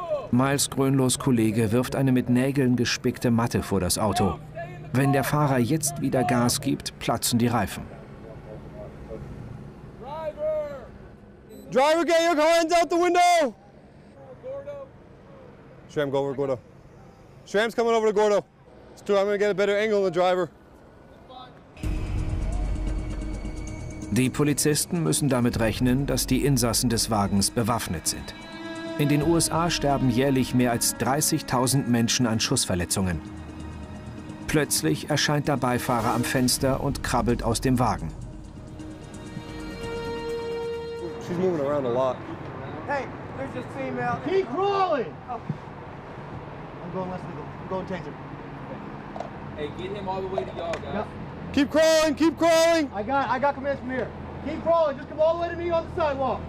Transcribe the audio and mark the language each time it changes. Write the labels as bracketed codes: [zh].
[de] Miles Grönlows Kollege wirft eine mit Nägeln gespickte Matte vor das Auto. Wenn der Fahrer jetzt wieder Gas gibt, platzen die Reifen. [en] Driver, get your hands out the window! Schramm, go over to Gordo. Schramm's coming over to Gordo. It's true, I'm gonna get a better angle on the driver. [de] Die Polizisten müssen damit rechnen, dass die Insassen des Wagens bewaffnet sind. In den USA sterben jährlich mehr als 30.000 Menschen an Schussverletzungen. Plötzlich erscheint der Beifahrer am Fenster und krabbelt aus dem Wagen. [en] She's moving around a lot. Hey, there's a female. Keep crawling! Oh. I'm going less legal. I'm going taser. Hey, get him all the way to y'all, guys. Yep. Keep crawling, keep crawling. I got commands from here. Keep crawling, just come all the way to me on the sidewalk.